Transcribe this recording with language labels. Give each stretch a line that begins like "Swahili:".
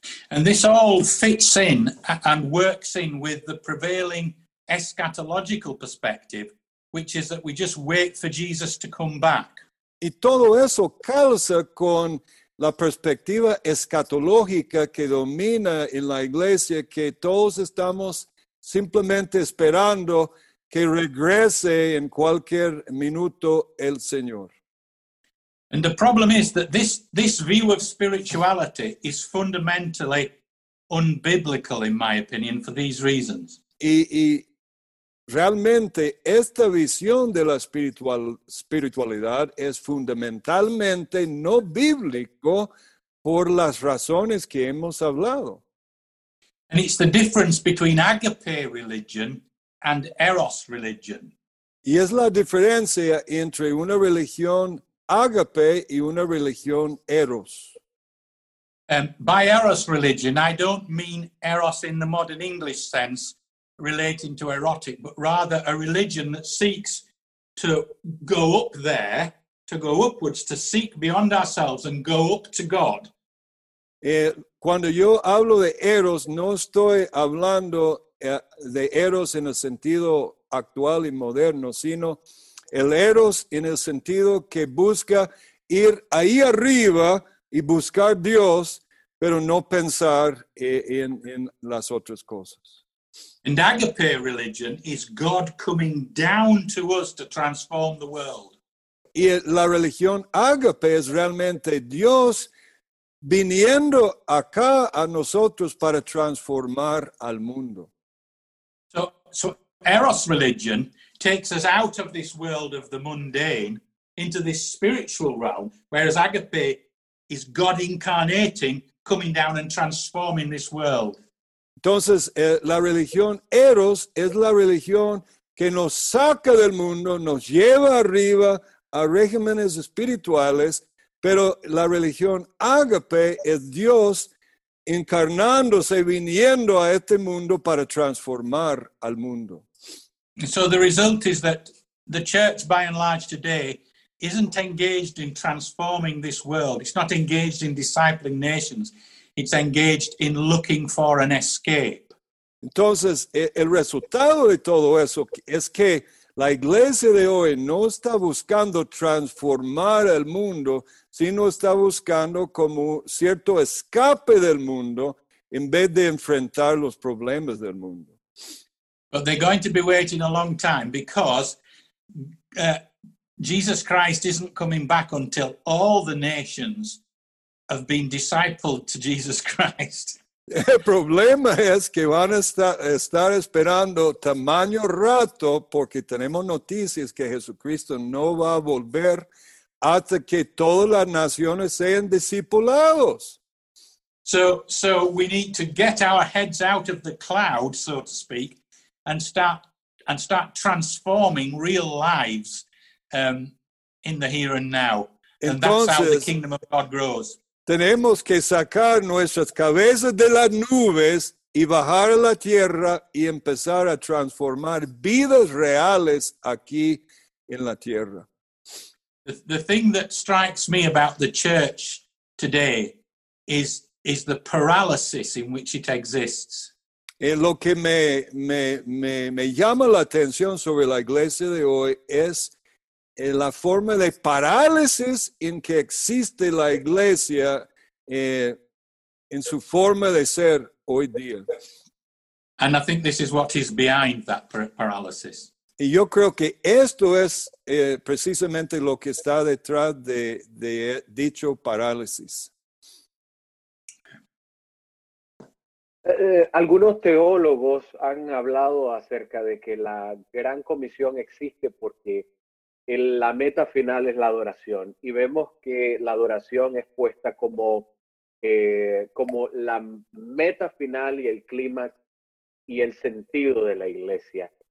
English: And this all fits in and works in with the prevailing eschatological perspective, which is that we just wait for Jesus to come back.
Spanish: Y todo eso calza con la perspectiva escatológica que domina en la iglesia, que todos estamos simplemente esperando que regrese en cualquier minuto el Señor.
English: And the problem is that this view of spirituality is fundamentally unbiblical, in my opinion, for these reasons.
Spanish: Y realmente esta visión de la espiritualidad es fundamentalmente no bíblico por las razones que hemos hablado.
English: And it's the difference between agape religion and eros religion.
Spanish: Y es la diferencia entre una religión agape y una religión eros.
English: By eros religion, I don't mean eros in the modern English sense relating to erotic, but rather a religion that seeks to go up there, to go upwards, to seek beyond ourselves and go up to God.
Spanish: Cuando yo hablo de eros, no estoy hablando de eros en el sentido actual y moderno, sino el eros en el sentido que busca ir ahí arriba y buscar Dios, pero no pensar en las otras cosas.
English: And agape religion is God coming down to us to transform the world.
Spanish: Y la religión agape es realmente Dios viniendo acá a nosotros para transformar al mundo.
English: So eros religion takes us out of this world of the mundane into this spiritual realm, whereas agape is God incarnating, coming down and transforming this world.
Spanish: Entonces, la religión eros es la religión que nos saca del mundo, nos lleva arriba a regímenes espirituales, pero la religión agape es Dios encarnándose, viniendo a este mundo para transformar al mundo.
English: So the result is that the church, by and large today, isn't engaged in transforming this world. It's not engaged in discipling nations. It's engaged in looking for an escape.
Spanish: Entonces, el resultado de todo eso es que la iglesia de hoy no está buscando transformar el mundo, sino está buscando como cierto escape del mundo en vez de enfrentar los problemas del mundo.
English: But they're going to be waiting a long time because Jesus Christ isn't coming back until all the nations have been discipled to Jesus Christ.
Spanish: El problema es que van a estar esperando tamaño rato porque tenemos noticias que Jesucristo no va a volver hasta que todas las naciones sean discipulados.
English: So we need to get our heads out of the cloud, so to speak, and start transforming real lives in the here and now.
Spanish: Entonces,
English: and that's how the kingdom of God grows.
Spanish: Tenemos que sacar nuestras cabezas de las nubes y bajar a la tierra y empezar a transformar vidas reales aquí en la tierra.
English: The thing that strikes me about the church today is the paralysis in which it exists.
Spanish: Y lo que me llama la atención sobre la iglesia de hoy es la forma de parálisis en que existe la iglesia en su forma de ser hoy día.
English: And I think this is what is behind that paralysis.
Spanish: Y yo creo que esto es precisamente lo que está detrás de dicho parálisis. Algunos teólogos han hablado acerca de que la gran comisión existe porque la meta final es la adoración, y vemos que la adoración es puesta como la meta final y el clímax y el sentido de la iglesia.